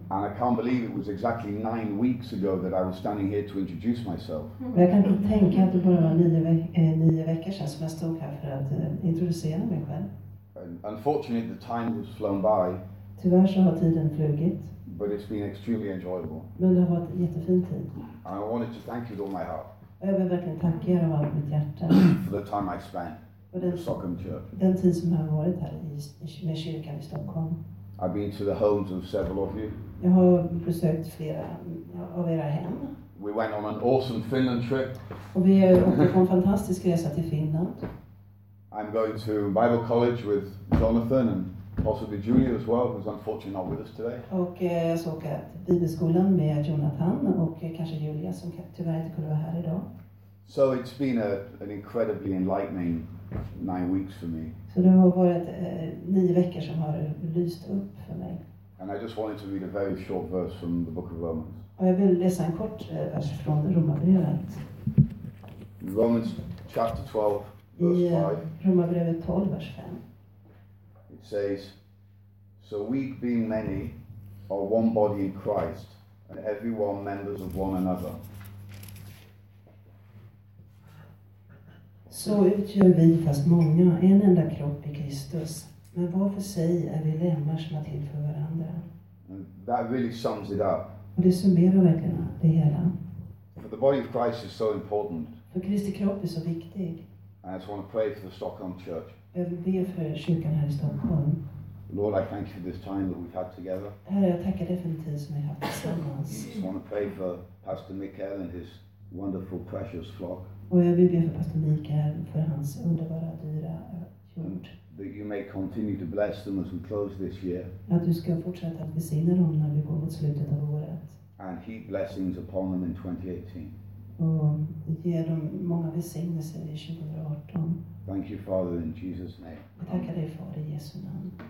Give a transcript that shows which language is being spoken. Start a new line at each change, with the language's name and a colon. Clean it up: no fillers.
English: And I can't believe it was exactly 9 weeks ago that I was standing here to introduce myself.
Swedish: Jag kan inte tänka att det bara var nio veckor sedan som jag stod här för att introducera mig själv.
English: And unfortunately, the time has flown by.
Swedish: Tyvärr så har tiden flugit.
English: But it's been extremely enjoyable.
Swedish: Men det har varit jättefin tid.
English: And I wanted to thank you with all my heart.
Swedish: Jag vill verkligen tacka er av allt mitt hjärta.
English: For the time I spent.
Swedish: Den tid som jag har varit här med kyrkan i Stockholm.
English: I've been to the homes of several of you.
Swedish: Jag har besökt flera av era hem.
English: We went on an awesome Finland trip.
Swedish: Och vi åkte på en fantastisk resa till Finland.
English: I'm going to Bible College with Jonathan and possibly Julia as well, who's unfortunately not with us today.
Swedish: Och jag ska åka till Bibelskolan med Jonathan och kanske Julia, som tyvärr inte kunde vara här idag.
English: So it's been an incredibly enlightening 9 weeks for me.
Swedish: Så det har varit 9 veckor som har lyst upp för mig.
English: And I just wanted to read a very short verse from the book of Romans.
Swedish: Och jag vill läsa en kort vers från Romarbrevet.
English: Romans chapter 12, verse 5.
Swedish: Romarbrevet 12, vers 5.
English: It says, so we being many are one body in Christ, and every one members of one another.
Swedish: Så utgör vi, fast många, en enda kropp i Kristus. Men var för sig är vi lemmar som är till för varandra.
English: That really sums it up.
Swedish: Och det summerar verkligen det hela.
English: For the body of Christ is so important.
Swedish: För Kristi kropp är så viktig.
English: I just want to pray for the Stockholm church.
Swedish: Jag vill be för kyrkan här i Stockholm.
English: Lord, I thank you for this time that we've had together.
Swedish: Herre, jag tackar dig för den tid som vi har haft tillsammans.
English: I just want to pray for Pastor Mikael and his wonderful, precious flock.
Swedish: Och jag vill be för pastor Mikael, för hans underbara, dyra hjort.
English: That you may continue to bless them as we close this year.
Swedish: Att du ska fortsätta att besigna dem när vi går mot slutet av året.
English: And heap blessings upon them in 2018.
Swedish: Och ge dem många besignelser i 2018.
English: Thank you, Father, in Jesus' name.
Swedish: Och tacka dig, Fader, i Jesu namn.